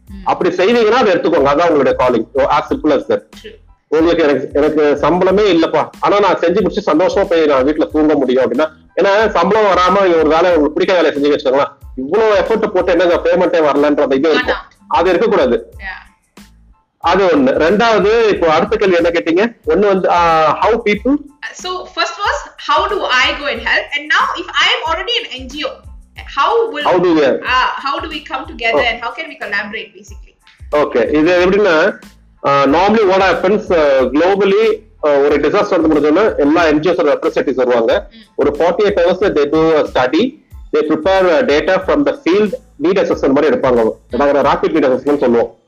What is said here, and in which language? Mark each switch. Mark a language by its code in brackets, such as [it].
[ta] அப்படி செய்வீங்கன்னா அதை எடுத்துக்கோங்க, அதான் உங்களுடைய calling. [en] As simple as that. [ta] உங்களுக்கு எனக்கு எனக்கு சம்பளமே இல்லப்பா, ஆனா நான் செஞ்சு முடிச்சு சந்தோஷமா போயிருக்கேன், வீட்டுல தூங்க முடியும் அப்படின்னா. ஏன்னா சம்பளம் வராம ஒரு வேலை உங்களுக்கு பிடிக்க வேலையை செஞ்சு வச்சுக்கலாம், இவ்வளவு எஃபர்ட் போட்டு என்னங்க பேமெண்டே வரலன்றதை இருக்கும், அது இருக்கக்கூடாது. அது ஒண்ணு. ரெண்டாவது இப்போ அடுத்த கேள்வி என்ன கேட்டீங்க? ஒண்ணு வந்து [en] how people. So first was how do I go and help, and now if I am already an NGO, how do we come together, and how can we collaborate basically? [ta] Okay, இது எப்படின்னா [en] normally what happens globally [ta] ஒரு disaster வந்துருச்சுனா எல்லா NGOஸ் representatives வருவாங்க. [en] ஒரு 48 hours they do a study, they prepare data from the field need assessment [ta] மாதிரி எடுப்பாங்க, அதாவது [en] rapid need assessment [ta] சொல்லுவோம்.